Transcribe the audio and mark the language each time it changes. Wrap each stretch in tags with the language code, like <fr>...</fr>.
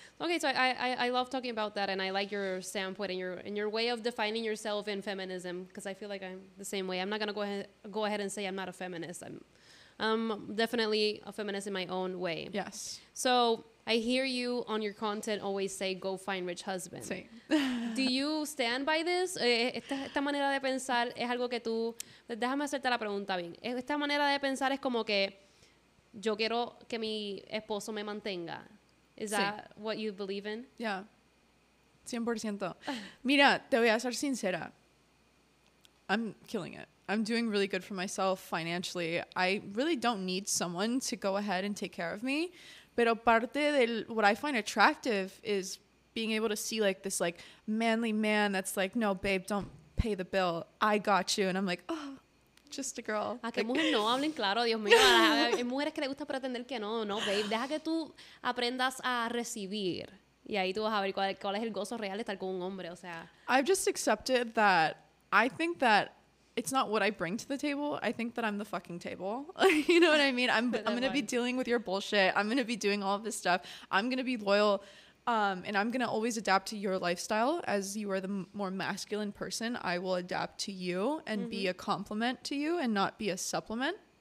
<en>Okay, so I love talking about that. And I like your standpoint and your way of defining yourself in feminism. Because I feel like I'm the same way. I'm not going to go ahead and say I'm not a feminist. I'm definitely a feminist in my own way. Yes. So I hear you on your content always say, go find rich husband.</en> <es>Sí.</es> <en>Do you stand by this?</en> <es>Esta manera de pensar es algo que tú... Déjame hacerte la pregunta bien. Esta manera de pensar es como que yo quiero que mi esposo me mantenga.</es> <en>Is that what you believe in? Yeah, 100%.</en> <es>Mira, te voy a ser sincera.</es> <en>I'm killing it. I'm doing really good for myself financially. I really don't need someone to go ahead and take care of me.</en> <es>Pero parte de</es> <en>what I find attractive is being able to see like this like manly man that's like, no, babe, don't pay the bill. I got you. And I'm like, oh, just a girl.</en> <es>¿A qué mujer no hablen claro? Dios mío, hay mujeres que le gusta pretender que no, no, babe. Deja que tú aprendas a recibir. Y ahí tú vas a ver cuál es el gozo real de estar con un hombre, o sea.</es> <en>I've just accepted that I think that it's not what I bring to the table. I think that I'm the fucking table. You know what I mean? I'm going to be dealing with your bullshit. I'm going to be doing all of this stuff. I'm going to be loyal. And I'm going to always adapt to your lifestyle. As you are the more masculine person, I will adapt to you and mm-hmm. be a compliment to you and not be a supplement.</en>